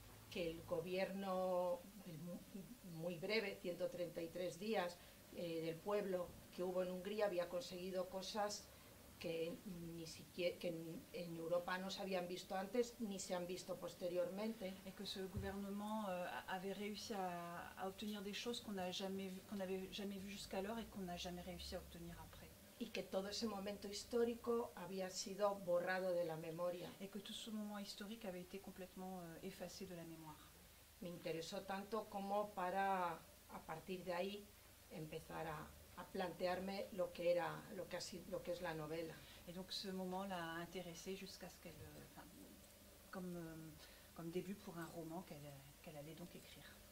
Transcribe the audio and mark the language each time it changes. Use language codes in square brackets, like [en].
[es] Que el gobierno muy breve, 133 días del pueblo que hubo en Hungría había conseguido cosas que ni siquiera que en Europa no se habían visto antes ni se han visto posteriormente. [fr] Et que ce gouvernement avait réussi à obtenir des choses qu'on n'avait jamais vues jusqu'alors et qu'on n'a jamais réussi à obtenir après. [es] Y que todo ese momento histórico había sido borrado de la memoria. [fr] Et que tout ce moment historique avait été complètement effacé de la mémoire. [es] Me interesó tanto como para a partir de ahí empezar a plantearme lo que era, lo que es la novela. [fr] Et donc ce moment l'a intéressée jusqu'à ce qu'elle, comme début pour un roman qu'elle allait donc écrire.